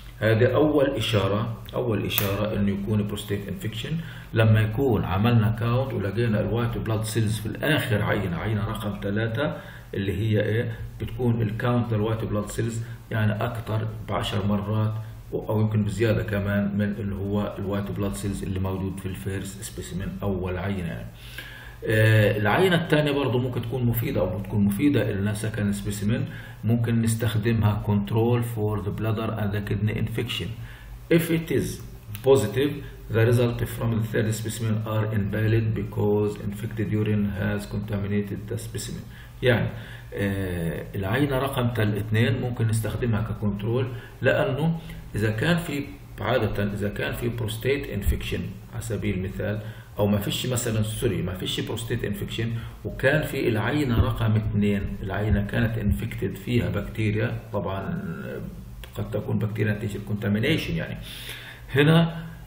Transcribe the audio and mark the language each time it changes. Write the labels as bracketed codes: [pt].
[ar] هذا اول اشاره، اول اشاره انه يكون بروستيت انفكشن لما يكون عملنا كاونت ولقينا الوايت بلاد سيلز في الاخر عينه، عينه رقم 3 اللي هي ايه بتكون الكاونت للوايت بلاد سيلز يعني اكثر ب 10 مرات او يمكن بزياده كمان من اللي هو الوايت بلاد سيلز اللي موجود في الفيرست سبيسيمين اول عينه. العينة الثانية برضو ممكن تكون مفيدة أو تكون مفيدة لنا سكن سبيسيمين، ممكن نستخدمها [en] Control for the bladder and the kidney infection. If it is positive, the result from the third specimen are invalid because infected urine has contaminated the specimen. [ar] يعني العينة رقم 2 ممكن نستخدمها ككنترول، لأنه إذا كان في عادة إذا كان في بروستيت انفكشن على سبيل المثال، او ما فيش مثلا سوري ما فيش بروستيت انفكشن وكان في العينه رقم 2 العينه كانت انفكتد فيها بكتيريا، طبعا قد تكون بكتيريا نتيجه كونتامينيشن، يعني هنا